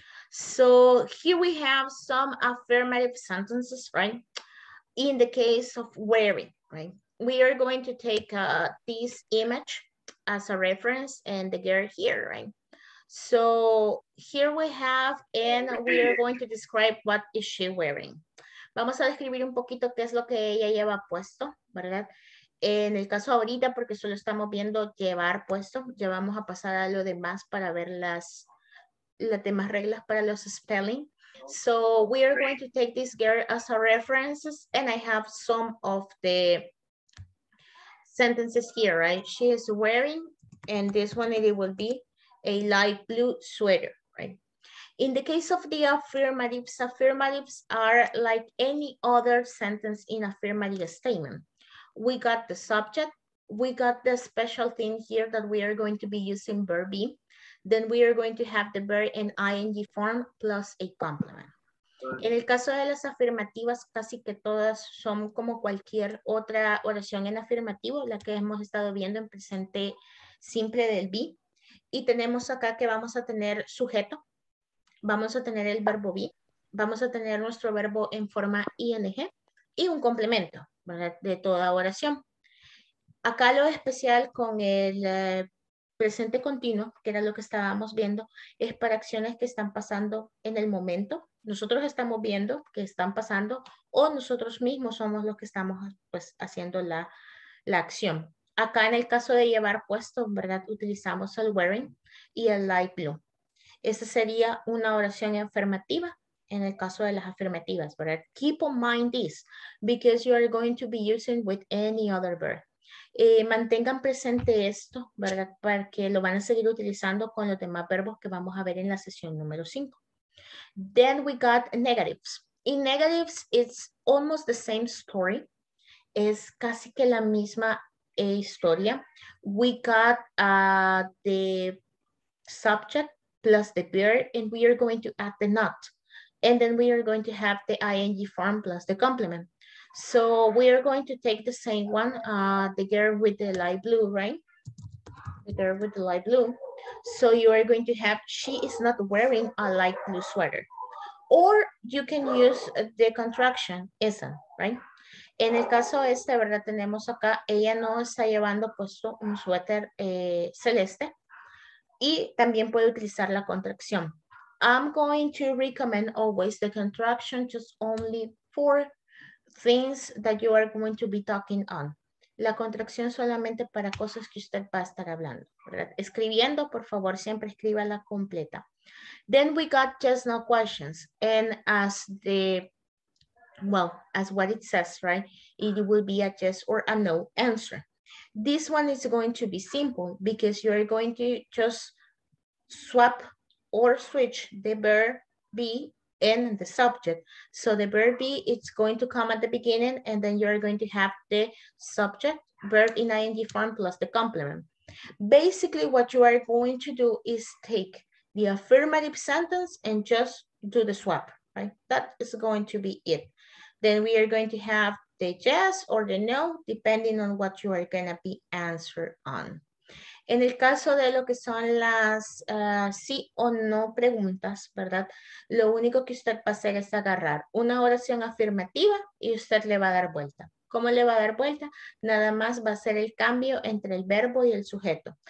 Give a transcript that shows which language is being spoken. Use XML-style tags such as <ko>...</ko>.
<en>So here we have some affirmative sentences, right? In the case of wearing, right? We are going to take this image as a reference and the girl here, right? So here we have, and we are going to describe what is she wearing.</en> <es>Vamos a describir un poquito qué es lo que ella lleva puesto, ¿verdad? En el caso ahorita, porque solo estamos viendo llevar puesto, ya vamos a pasar a lo demás para ver las demás reglas para los spelling.</es> <en>So we are going to take this girl as a reference, and I have some of the sentences here, right? She is wearing, and this one it will be a light blue sweater, right? In the case of the affirmatives, affirmatives are like any other sentence in affirmative statement. We got the subject, we got the special thing here that we are going to be using verb be. Then we are going to have the verb in ing form plus a complement.</en> <es>En el caso de las afirmativas, casi que todas son como cualquier otra oración en afirmativo, la que hemos estado viendo en presente simple del be. Y tenemos acá que vamos a tener sujeto, vamos a tener el verbo be, vamos a tener nuestro verbo en forma ing y un complemento, ¿verdad? De toda oración. Acá lo especial con el presente continuo, que era lo que estábamos viendo, es para acciones que están pasando en el momento. Nosotros estamos viendo que están pasando, o nosotros mismos somos los que estamos pues, haciendo la acción. Acá en el caso de llevar puesto, ¿verdad? Utilizamos el wearing y el light blue. Esa sería una oración afirmativa. En el caso de las afirmativas, ¿verdad?</es> <en>Keep in mind this, because you are going to be using with any other verb.</en> <es>Mantengan presente esto, ¿verdad? Para que lo van a seguir utilizando con los demás verbos que vamos a ver en la sesión número 5.</es> <en>Then we got negatives. In negatives, it's almost the same story.</en> <es>Es casi que la misma historia.</es> <en>We got the subject plus the verb, and we are going to add the not. And then we are going to have the ing form plus the complement. So we are going to take the same one, the girl with the light blue, right? The girl with the light blue. So you are going to have, she is not wearing a light blue sweater. Or you can use the contraction, isn't, right?</en> <es>En el caso este, ¿verdad? Tenemos acá, ella no está llevando puesto un suéter celeste. Y también puede utilizar la contracción.</es> <en>I'm going to recommend always the contraction, just only for things that you are going to be talking on.</en> <es>La contracción solamente para cosas que usted va a estar hablando, ¿verdad? Escribiendo, por favor, siempre escríbala completa.</es> <en>Then we got just no questions. And as the, well, as what it says, right? It will be a yes or a no answer. This one is going to be simple because you are going to just swap or switch the verb be and the subject. So the verb be, it's going to come at the beginning and then you're going to have the subject, verb in ing form plus the complement. Basically what you are going to do is take the affirmative sentence and just do the swap, right? That is going to be it. Then we are going to have the yes or the no, depending on what you are gonna be answered on.</en> <es>En el caso de lo que son las sí o no preguntas, ¿verdad? Lo único que usted va a hacer es agarrar una oración afirmativa y usted le va a dar vuelta. ¿Cómo le va a dar vuelta? Nada más va a ser el cambio entre el verbo y el sujeto.</es>